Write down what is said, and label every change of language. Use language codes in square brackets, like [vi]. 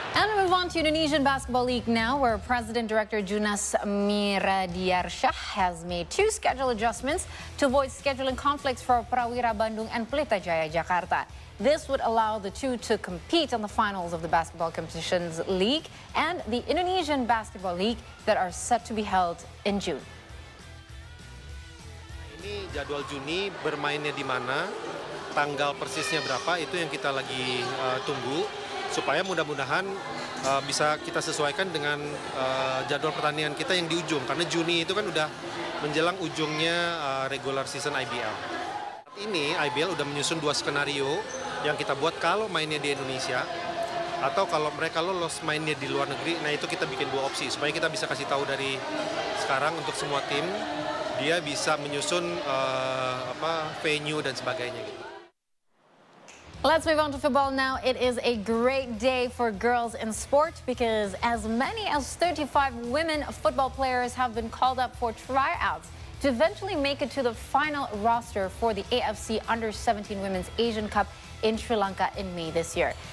[en] And we move on to Indonesian Basketball League now, where President Director Junas Miradiarsyah has made 2 schedule adjustments to avoid scheduling conflicts for Prawira Bandung and Pelita Jaya Jakarta. This would allow the two to compete on the finals of the Basketball Competitions League and the Indonesian Basketball League that are set to be held in June. [id] Ini jadwal Juni, bermainnya di mana, tanggal persisnya berapa, itu yang kita lagi tunggu supaya mudah-mudahan bisa kita sesuaikan dengan jadwal pertandingan kita yang di ujung, karena Juni itu kan udah menjelang ujungnya regular season IBL. Ini IBL udah menyusun dua skenario yang kita buat kalau mainnya di Indonesia atau kalau mereka lolos mainnya di luar negeri. Nah itu kita bikin dua opsi supaya kita bisa kasih tahu dari sekarang untuk semua tim dia bisa menyusun venue dan sebagainya. [en] Let's move on to football now. It is a great day for girls in sport because as many as 35 women football players have been called up for tryouts to eventually make it to the final roster for the AFC Under-17 Women's Asian Cup in Sri Lanka in May this year.